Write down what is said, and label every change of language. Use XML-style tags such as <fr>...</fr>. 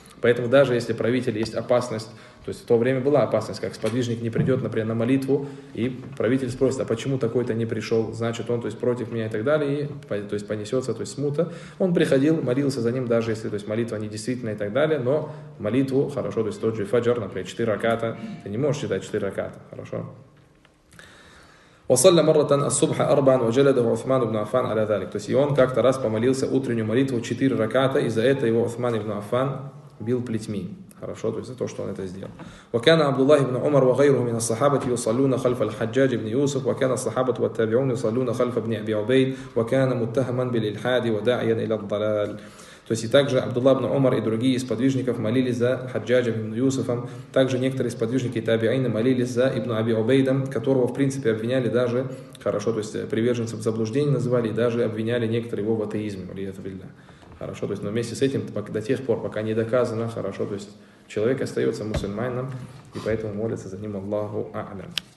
<ru>Поэтому даже если правитель есть опасность, то есть в то время была опасность, как сподвижник не придет, например, на молитву, и правитель спросит, а почему такой-то не пришел, значит, он то есть, против меня и так далее, и, то есть понесется, то есть смута. Он приходил, молился за ним, даже если то есть, молитва не действительно и так далее, но молитву хорошо, то есть тот же фаджр, например, 4 раката, ты не можешь читать 4 раката, хорошо.</ru> <ar>وصلى مره الصبح اربعا وجلده عثمان بن عفان على ذلك.</ar> <ru>То есть и он как-то раз помолился утреннюю молитву 4 раката, и за это его Уثمان ибн Аффан бил плетьми. Хорошо, то есть за то, что он это сделал.</ru> <ar>وكان عبد الله بن عمر وغيره من الصحابه يصلون خلف الحجاج بن يوسف وكان الصحابه والتابعون يصلون خلف ابن ابي عبيد وكان متهما بالالحاد وداعيا الى الضلال.</ar> <ru>То есть и также Абдулла ибн Умар и другие из подвижников молились за Хаджаджа ибн Юсуфом. Также некоторые из подвижников и табиаины молились за ибн Аби Убейдом, которого в принципе обвиняли даже, хорошо, то есть приверженцев заблуждений называли, и даже обвиняли некоторые его в атеизме. Хорошо, то есть, но вместе с этим до тех пор, пока не доказано, хорошо, то есть человек остается мусульманином, и поэтому молится за ним Аллаху А'лям.</ru>